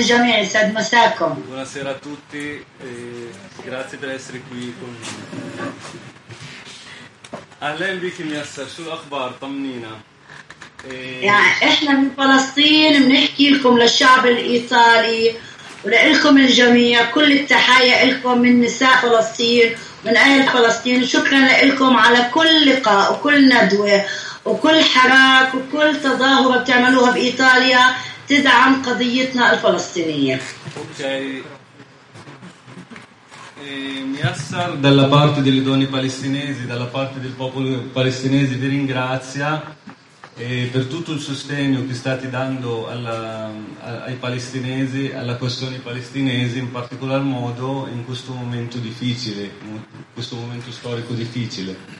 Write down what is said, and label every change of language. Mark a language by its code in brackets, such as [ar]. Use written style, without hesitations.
[it] Buonasera a tutti e grazie per essere qui con me. [ar] أهلاً بك يا مسر، شو الأخبار؟ طمنينا. يعني إحنا من فلسطين بنحكي لكم للشعب الإيطالي ولكم الجميع كل التحايا لكم من نساء فلسطين من أهل فلسطين، وشكراً لكم على كل لقاء وكل ندوة وكل حراك وكل تظاهرة بتعملوها بإيطاليا تدعم قضيتنا الفلسطينية. أوكي. [it] Miassar, dalla parte delle donne palestinesi, dalla parte del popolo palestinese, vi ringrazia per tutto il sostegno che state dando ai palestinesi, alla questione palestinese, in particolar modo in questo momento difficile, in questo momento storico difficile.